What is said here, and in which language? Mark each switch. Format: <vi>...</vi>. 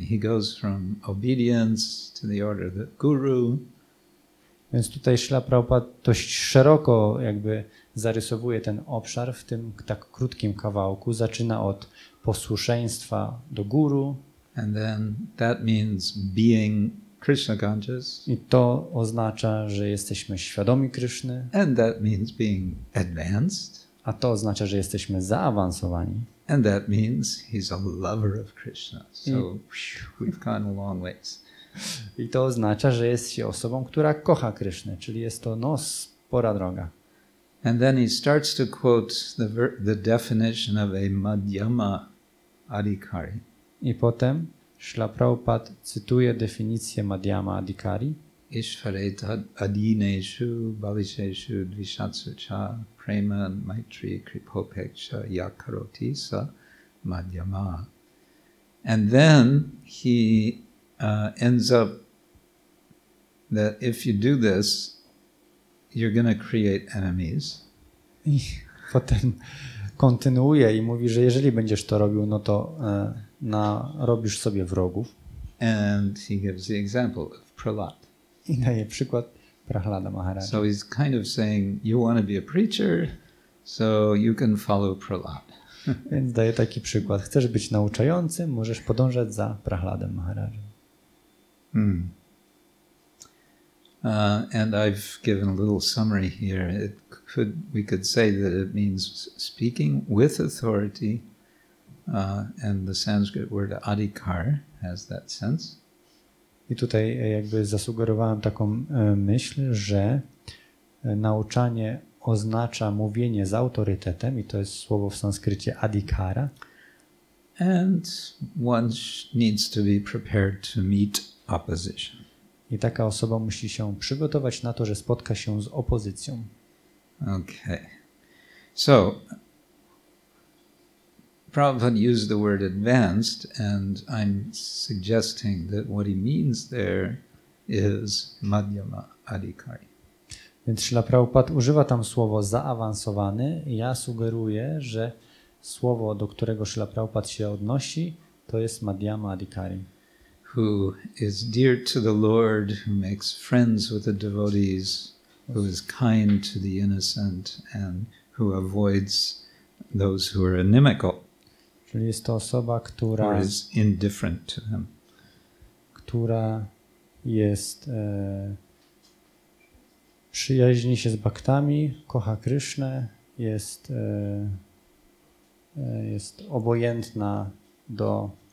<en>He goes from obedience to the order of the guru.</en> <pl>Więc tutaj Śrila Prabhupada dość szeroko jakby zarysowuje ten obszar w tym tak krótkim kawałku. Zaczyna od posłuszeństwa do guru.</pl> <en>And then that means being Krishna conscious.</en> <pl>I to oznacza, że jesteśmy świadomi Kryszny.</pl> <en>And that means being advanced.</en> <pl>A to oznacza, że jesteśmy zaawansowani.</pl> <en>And that means he's a lover of Krishna. So we've gone a long ways.</en> <pl>I to oznacza, że jest się osobą, która kocha Krysznę, czyli jest to spora droga.</pl> <en>And then he starts to quote the definition of a madhyama adhikari.</en> <pl>I potem Śrila Prabhupada cytuje definicję madhyama adhikari.</pl> <sa>Ishvare tad adineshu bhaviseshu dvishatsu cha prema maitri kripopeksha yakaroti sa madhyama.</sa> <en>And then he ends up that if you do this, you're going to create enemies.</en> <pl>I potem kontynuuje i mówi, że jeżeli będziesz to robił, no to narobisz sobie wrogów.</pl> <en>And he gives the example of Prahlad.</en> <pl>I daje przykład Prahlada Maharaja.</pl> <en>So he's kind of saying, you want to be a preacher, so you can follow Prahlad.</en> <pl>Więc daje taki przykład. Chcesz być nauczającym, możesz podążać za Prahladem Maharajem.</pl> <en>And I've given a little summary here. We could say that it means speaking with authority, and the Sanskrit word adhikar has that sense.</en> <pl>I tutaj jakby zasugerowałem taką myśl, że nauczanie oznacza mówienie z autorytetem i to jest słowo w sanskrycie adhikara.</pl> <en>And one needs to be prepared to meet opposition.</en> <pl>I taka osoba musi się przygotować na to, że spotka się z opozycją.</pl> <en>Okay. So, Prabhupada used the word advanced, and I'm suggesting that what he means there is madhyama adhikari.</en> <pl>Więc Śrīla Prabhupada używa tam słowo zaawansowany. Ja sugeruję, że słowo, do którego Śrīla Prabhupada się odnosi, to jest madhyama adhikari.</pl> <en>Who is dear to the Lord, who makes friends with the devotees, who is kind to the innocent, and who avoids those who are inimical.</en> <pl>Czyli jest to osoba, która,</pl> <en>or is indifferent to him.</en> <pl>Która jest przyjaźni się z bhaktami, kocha Krishnę, jest obojętna do</pl>